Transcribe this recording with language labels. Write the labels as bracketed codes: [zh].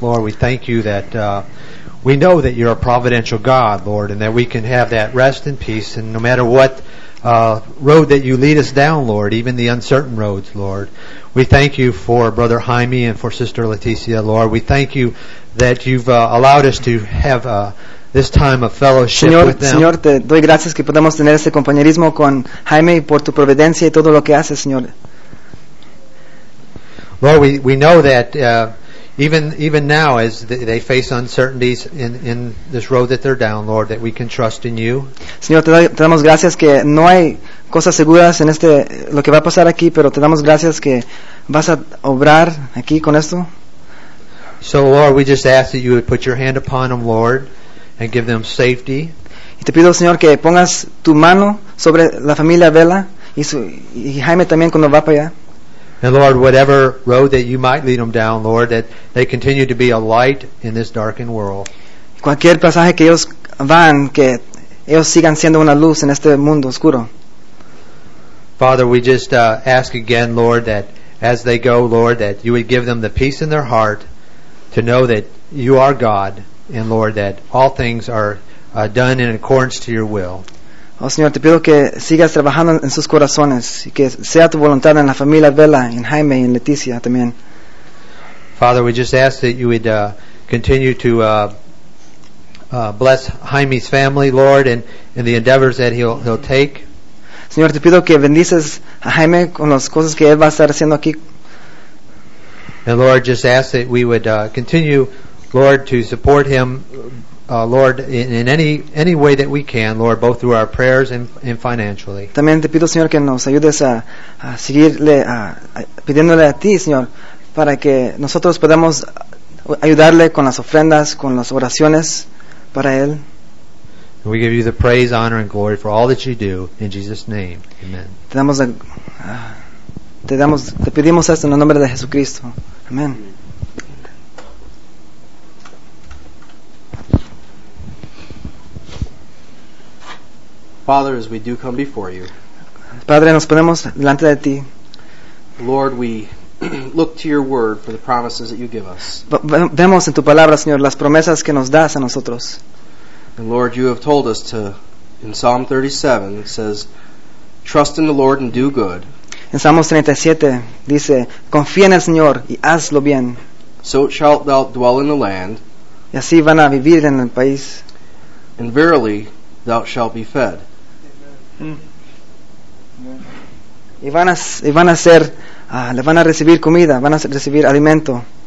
[en] Lord, we thank you that we know that you're a providential God, Lord, and that we can have that rest and peace. And no matter what road that you lead us down, Lord, even the uncertain roads, Lord, we thank you for Brother Jaime and for Sister Leticia, Lord. We thank you that you've allowed us to have this time of fellowship [es] Señor, [en] with them. [es] Señor, te doy gracias que podemos tener este compañerismo con Jaime por tu providencia y todo lo que haces, Señor. [en] Lord, we know that even now as they face uncertainties in this road that they're down, Lord, that we can trust in you. [es] Señor, te damos gracias que no hay cosas seguras en este lo que va a pasar aquí, pero te damos gracias que vas a obrar aquí con esto. [en] So Lord, we just ask that you would put your hand upon them, Lord, and give them safety. [es] Y te pido, Señor, que pongas tu mano sobre la familia Vela y Jaime también cuando va para allá. [en] And Lord, whatever road that you might lead them down, Lord, that they continue to be a light in this darkened world. [es] Cualquier pasaje que ellos van, que ellos sigan siendo una luz en este mundo oscuro. [en] Father, we just ask again, Lord, that as they go, Lord, that you would give them the peace in their heart to know that you are God, and Lord, that all things are done in accordance to your will. [es] Oh, Señor, te pido que sigas trabajando en sus corazones y que sea tu voluntad en la familia Vela, en Jaime y en Leticia también. [en] Father, we just ask that you would continue to bless Jaime's family, Lord, and the endeavors that he'll take. [es] Señor, te pido que bendices a Jaime con las cosas que él va a estar haciendo aquí. [en] And Lord, just ask that we would continue, Lord, to support him, Lord, in any way that we can, Lord, both through our prayers and financially. [es] También te pido, Señor, que nos ayudes a seguirle pidiéndole a ti, Señor, para que nosotros podamos ayudarle con las ofrendas, con las oraciones para él. [en] And we give you the praise, honor, and glory for all that you do. In Jesus' name, amen. [es] Te pedimos esto en el nombre de Jesucristo. Amén. [en] Father, as we do come before you. [es] Padre, nos ponemos delante de ti. [en] Lord, we look to your word for the promises that you give us. [es] Vemos en tu palabra, Señor, las promesas que nos das a nosotros. [en] And Lord, you have told us to, in Psalm 37, it says, trust in the Lord and do good. [es] En Salmos 37 dice, confía en el Señor y haz lo bien. [en] So shalt thou dwell in the land. [es] Y así van a vivir en el país. [en] And verily thou shalt be fed. Amen. [es] Y van a ser, le van a recibir comida, van a recibir alimento.